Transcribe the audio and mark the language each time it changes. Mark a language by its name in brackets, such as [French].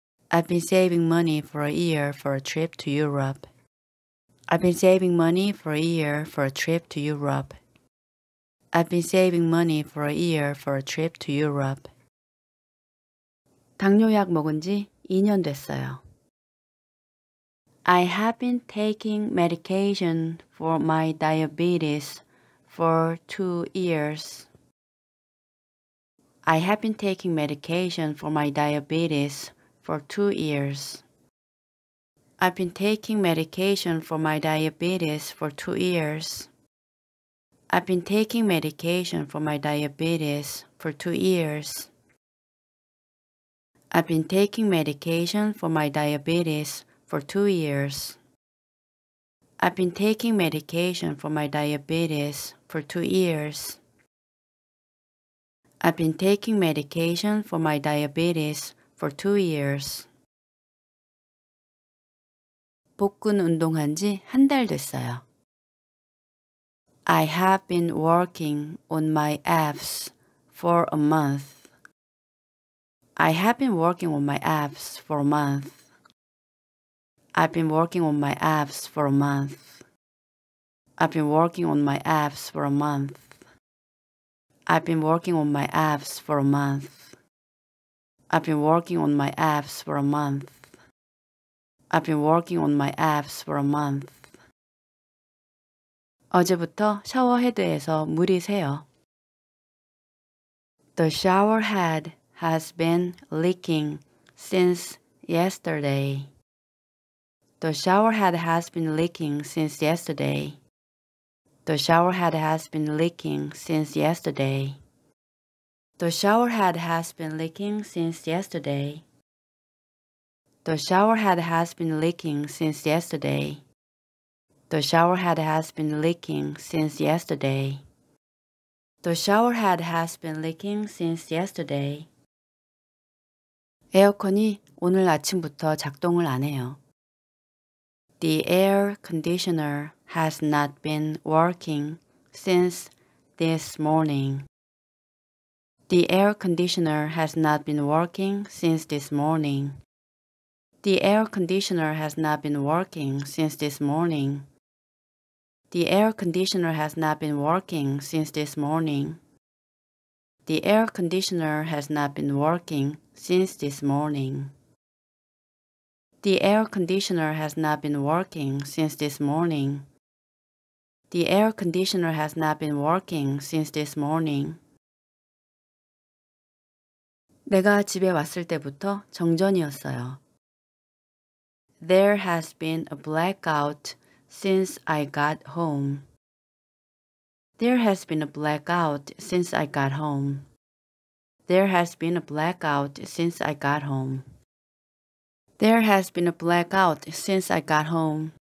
[English] I've been saving money for a year for a trip to Europe. I've been saving money for a year for a trip to Europe. I've been saving money for a year for a trip to Europe. [Korean] 당뇨약 먹은 지 2년 됐어요. [English] I have been taking medication for my diabetes for 2 years. I have been taking medication for my diabetes for 2 years. I've been taking medication for my diabetes for 2 years. I've been taking medication for my diabetes for 2 years. I've been taking medication for my diabetes for 2 years. I've been taking medication for my diabetes for 2 years. I've been taking medication for my diabetes for 2 years. [Korean] 복근 운동한 지 한 달 됐어요. [English] I have been working on my abs for a month. I have been working on my abs for a month. I've been working on my abs for a month. I've been working on my abs for a month. I've been working on my abs for a month. I've been working on my abs for a month. I've been working on my abs for a month. [Korean] 어제부터 샤워 헤드에서 물이 새요. [English] The shower head has been leaking since yesterday. The shower head has been leaking since yesterday. The shower head has been leaking since yesterday. The shower head has been leaking since yesterday. The shower head has been leaking since yesterday. The shower head has been leaking since yesterday. The shower head has been leaking since yesterday. [Korean] 에어컨이 오늘 아침부터 작동을 안 해요. [English] The air conditioner has not been working since this morning. The air conditioner has not been working since this morning. The air conditioner has not been working since this morning. The air conditioner has not been working since this morning. The air conditioner has not been working since this morning. The air conditioner has not been working since this morning. The air conditioner has not been working since this morning. [Korean] 내가 집에 왔을 때부터 정전이었어요. [English] There has been a blackout since I got home. There has been a blackout since I got home. There has been a blackout since I got home. There has been a blackout since I got home.